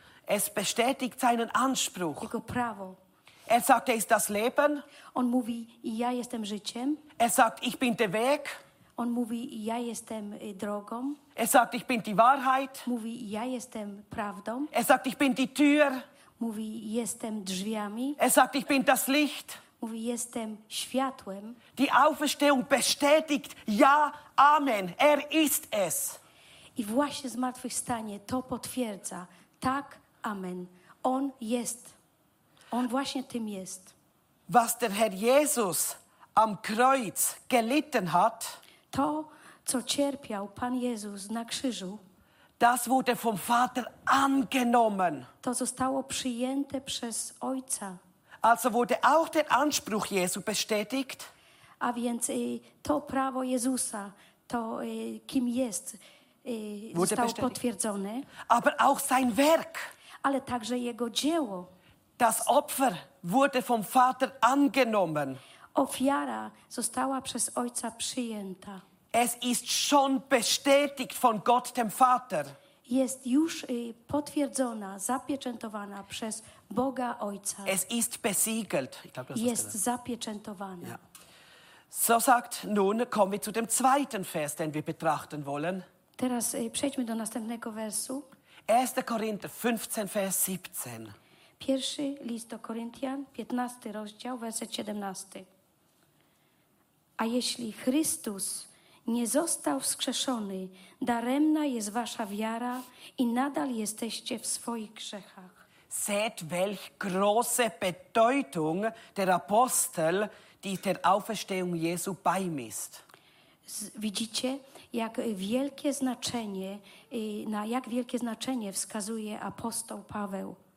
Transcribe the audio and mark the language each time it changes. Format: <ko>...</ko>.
<de>Es bestätigt seinen Anspruch.</de> <pl>Jego prawo.</pl> <de>Sagt, ist das Leben.</de> <pl>On mówi, ja jestem życiem.</pl> <de>Sagt, ich bin der Weg.</de> <pl>On mówi, ja jestem drogą.</pl> <de>Sagt, ich bin die Wahrheit.</de> <pl>Mówi, ja jestem prawdą.</pl> <de>Sagt, ich bin die Tür.</de> <pl>Mówi, jestem drzwiami.</pl> <de>Sagt, ich bin das Licht.</de> <pl>Mówi, jestem światłem.</pl> <de>Die Auferstehung bestätigt, ja, Amen, ist es.</de> <pl>I właśnie zmartwychwstanie to potwierdza. Tak, Amen, On jest. On właśnie tym jest.</pl> <de>Was der Herr Jesus am Kreuz gelitten hat,</de> <pl>to, co cierpiał Pan Jezus na krzyżu,</pl> <de>das wurde vom Vater angenommen.</de> <pl>To zostało przyjęte przez Ojca.</pl> <de>Also wurde auch der Anspruch Jesu bestätigt.</de> <pl>A więc to prawo Jezusa, to kim jest, zostało bestätigt. Potwierdzone.</pl> <de>Aber auch sein Werk.</de> <pl>Ale także Jego dzieło.</pl> <de>Das Opfer wurde vom Vater angenommen.</de> <pl>Ofiara została przez Ojca przyjęta.</pl> <de>Es ist schon bestätigt von Gott dem Vater.</de> <pl>Jest już potwierdzona, zapieczętowana przez Boga Ojca.</pl> <de>Es ist besiegelt.</de> <pl>Jest zapieczętowana. Ja.</pl> <de>So sagt nun, kommen wir zu dem zweiten Vers, den wir betrachten wollen.</de> <pl>Teraz przejdźmy do następnego wersu.</pl> <de>1. Korinther 15, Vers 17.</de> <pl>Pierwszy list do Koryntian, 15 rozdział, werset 17. A jeśli Chrystus nie został wskrzeszony, daremna jest wasza wiara i nadal jesteście w swoich grzechach.</pl> <de>Seht, welch große Bedeutung der Apostel, die der Auferstehung Jesu beimisst.</de> <pl>Widzicie, jak wielkie znaczenie wskazuje apostoł Paweł.</pl>